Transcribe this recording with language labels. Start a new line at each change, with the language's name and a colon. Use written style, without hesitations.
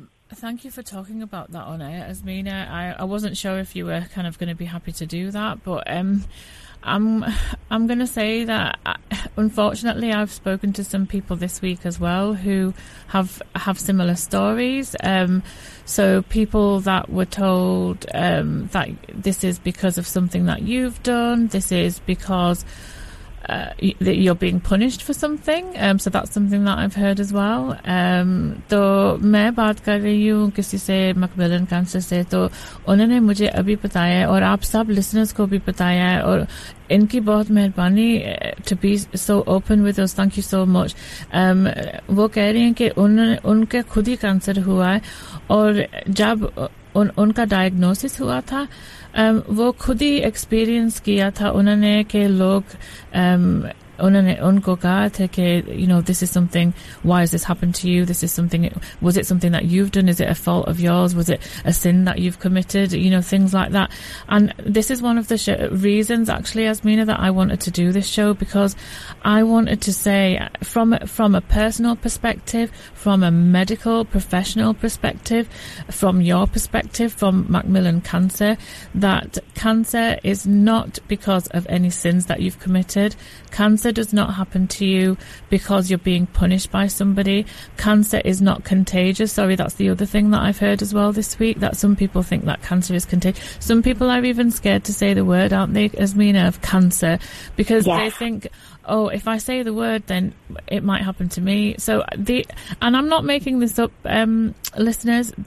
English: Thank you for talking about that on air, Asmina. I wasn't sure if you were kind of going to be happy to do that, but I'm going to say that unfortunately I've spoken to some people this week as well who have similar stories. So people that were told that this is because of something that you've done, this is because that you're being punished for something. So that's something that I've heard as well.
Hindi: तो मैं बात कर रही हूँ किसी से Macmillan cancer से तो उन्होंने मुझे अभी बताया है और आप सब लिसनर्स को भी बताया है और इनकी बहुत मेहरबानी
English: to be so open with us.
Hindi: Thank you so much. वो कह रही हैं कि उनके खुद ही कैंसर हुआ है और जब उनका डायग्नोसिस हुआ था वो खुद ही एक्सपीरियंस किया था उन्होंने कि लोग उन्होंने उनको कहा था कि
English: You know this is something why has this happened to you this is something was it something that you have done is it a fault of yours was it a sin that you have committed you know things like that and this is one of the reasons actually Yasmina that I wanted to do this show because I wanted to say from a personal perspective from a medical professional perspective from your perspective from Macmillan cancer that cancer is not because of any sins that you have committed Cancer does not happen to you because you're being punished by somebody. Cancer is not contagious. Sorry, that's the other thing that I've heard as well this week, that some people think that cancer is contagious. Some people are even scared to say the word, aren't they, Asmina, of cancer, because yeah. They think, oh, if I say the word, then it might happen to me. So and I'm not making this up, listeners.